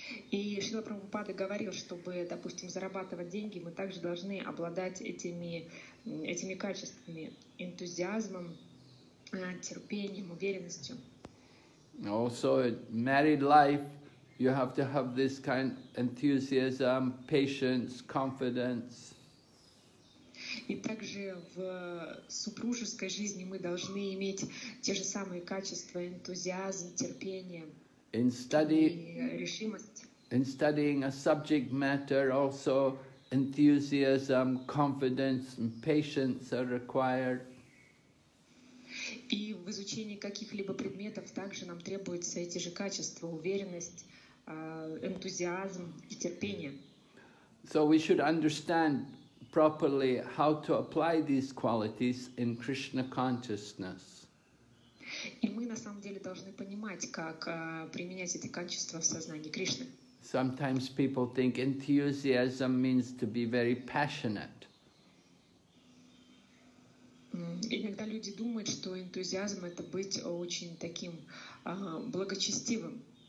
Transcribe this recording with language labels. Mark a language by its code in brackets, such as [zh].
[ru] И Шрила Прабхупада говорил, чтобы, допустим, зарабатывать деньги, мы также должны обладать этими качествами, энтузиазмом, терпением, уверенностью. [en] Also, in married life, you have to have this kind of enthusiasm, patience, confidence. [ru] И также в супружеской жизни мы должны иметь те же самые качества, энтузиазм, терпение, [en] in study, [ru] решимость. [en] In studying a subject matter, also enthusiasm, confidence, and patience are required. [ru] И в изучении каких-либо предметов также нам требуются эти же качества: уверенность, энтузиазм и терпение. [en] So we should understand properly how to apply these qualities in Krishna consciousness. [ru] И мы на самом деле должны понимать, как применять эти качества в сознании Кришны. [en] Sometimes people think enthusiasm means to be very passionate. [ru] Иногда люди думают, что энтузиазм — это быть очень таким благочестивым.